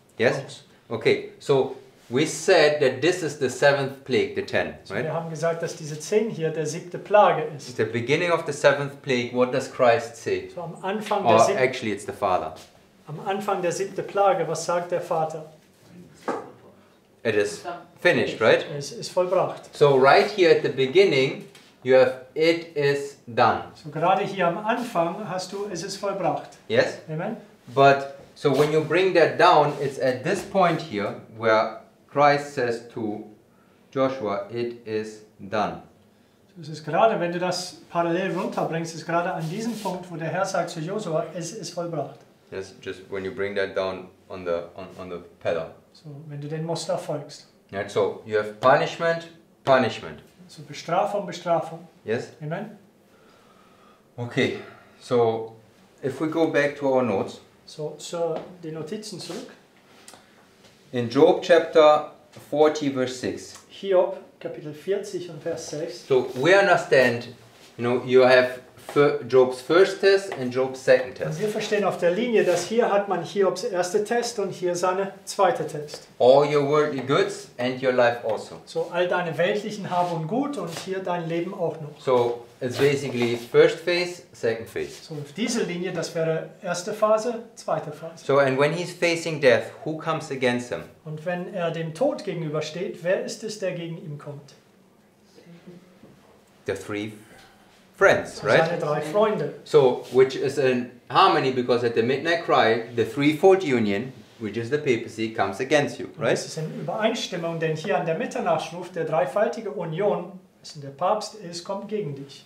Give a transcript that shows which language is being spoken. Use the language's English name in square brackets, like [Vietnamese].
[English] Yes? [German] Aus. [English] Okay, so we said that this is the seventh plague, the ten, right? [German] So wir haben gesagt, dass diese zehn hier der siebte Plage ist. [English] It's the beginning of the seventh plague, what does Christ say? [German] So am Anfang [English] or [German] der siebten... [English] actually it's the Father. [German] Am Anfang der siebten Plage, was sagt der Vater? [English] It is finished, right? [German] Es ist vollbracht. [English] So right here at the beginning, you have it is done. [German] So gerade hier am Anfang hast du, es ist vollbracht. [English] Yes. Amen. But so when you bring that down, it's at this point here where Christ says to Joshua, it is done. [German] So es ist gerade, wenn du das parallel runterbringst, ist gerade an diesem Punkt, wo der Herr sagt zu Joshua, es ist vollbracht. [English] Yes, just when you bring that down on the pedal. [German] So, wenn du den Muster folgst. [English] Yeah, so you have punishment. [German] So Bestrafung. [English] Yes. Amen. Okay, so if we go back to our notes. [German] So, so die Notizen zurück. [English] In Job chapter 40 verse 6. [German] Hiob Kapitel 40 und Vers 6. [English] So we understand, you know, you have Job's first test and Job's second test. [German] Und wir verstehen auf der Linie, dass hier hat man Hiobs erste Test und hier seine zweite Test. [English] All your worldly goods and your life also. [German] So all deine weltlichen Hab und Gut und hier dein Leben auch noch. [English] So it's basically first phase, second phase. [German] So auf dieser Linie, das wäre erste Phase, zweite Phase. [English] So and when he's facing death, who comes against him? [German] Und wenn er dem Tod gegenübersteht, wer ist es, der gegen ihn kommt? [English] The three friends, right? [German] Seine drei Freunde. [English] So, which is in harmony because at the midnight cry, the threefold union, which is the papacy, comes against you, right? [German] Das ist in Übereinstimmung, denn hier an der Mitternachtsruf, der dreifaltige Union, also der Papst ist, kommt gegen dich.